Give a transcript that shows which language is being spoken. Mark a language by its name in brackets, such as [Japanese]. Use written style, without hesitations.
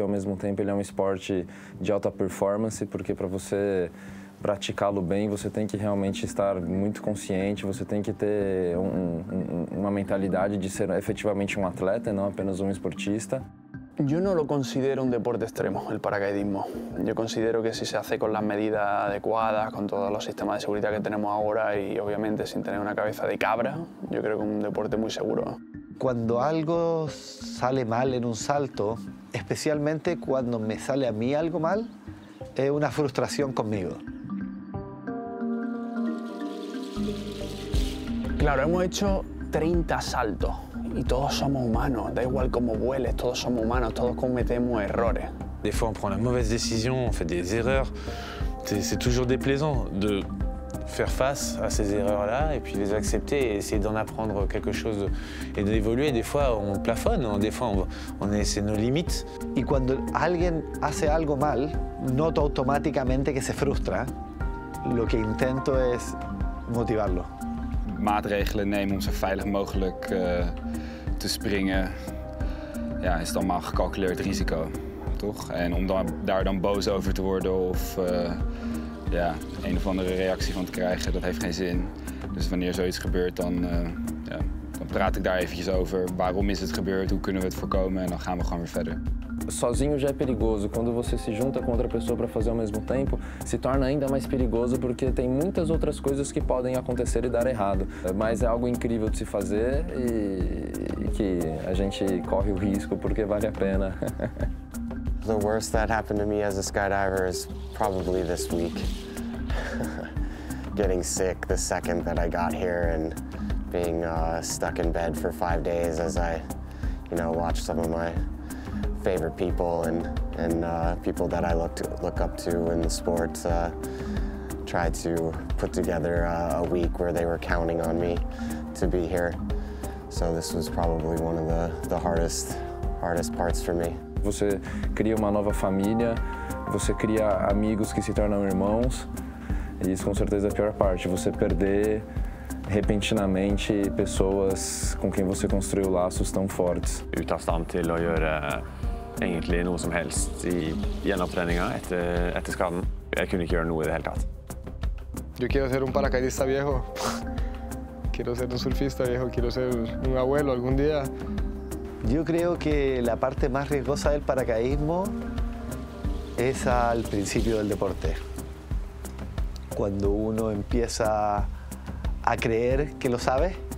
[Portuguese] Ao mesmo tempo, ele é um esporte de alta performance, porque para você praticá-lo bem, você tem que realmente estar muito consciente, você tem que ter uma mentalidade de ser efetivamente um atleta e não apenas um esportista. Eu não o considero um deporte extremo, o paraquedismo. Eu considero que se faz com as medidas adequadas, com todos os sistemas de segurança que temos agora e, obviamente, sem ter uma cabeça de cabra, eu creio que é um deporte muito seguro. [Spanish] Cuando algo sale mal en un salto, especialmente cuando me sale a mí algo mal, es una frustración conmigo. Claro, hemos hecho 30 saltos y todos somos humanos. Da igual cómo vueles, todos somos humanos, todos cometemos errores. [French] Des fois, on prend la mauvaise décision, on fait des erreurs. C'est toujours déplaisant de faire face à ces erreurs-là et puis les accepter et essayer d'en apprendre quelque chose et d'évoluer. Des fois, on plafonne, des fois, on c'est nos limites. Et quand quelqu'un fait quelque mal, note automatiquement que se frustre. [Spanish] Lo que intento es motivarlo. [Dutch] Maatregelen nemen om zo veilig mogelijk te springen, ja, is dan maar gecalculeerd risico, toch? En om daar dan boos over te worden of ja, een of andere reactie van te krijgen, dat heeft geen zin. Dus wanneer zoiets gebeurt, dan, ja, dan praat ik daar eventjes over. Waarom is het gebeurd? Hoe kunnen we het voorkomen? En dan gaan we gewoon weer verder. [Portuguese] Sozinho já é perigoso. Quando você se junta com outra pessoa para fazer ao mesmo tempo, se torna ainda mais perigoso porque tem muitas outras coisas que podem acontecer e dar errado. Mas é algo incrível de se fazer e que a gente corre o risco porque vale a pena. [English] The worst that happened to me as a skydiver is probably this week. Getting sick the second that I got here and being stuck in bed for 5 days as I you know, watch some of my favorite people and people that I look up to in the sport try to put together a week where they were counting on me to be here. So this was probably one of the hardest parts for me. [Portuguese] Você cria uma nova família, você cria amigos que se tornam irmãos. E isso com certeza é a pior parte, você perder repentinamente pessoas com quem você construiu laços tão fortes. [Norwegian] Ut av stand til å gjøre egentlig noe som helst i gjenopptreninga etter skaden. Jeg kunne ikke gjøre noe i det hele tatt. [Spanish] Yo quiero ser un paracaidista viejo. Quiero ser un surfista viejo, quiero ser un abuelo algún día. Yo creo que la parte más riesgosa del paracaidismo es al principio del deporte. Cuando uno empieza a creer que lo sabe.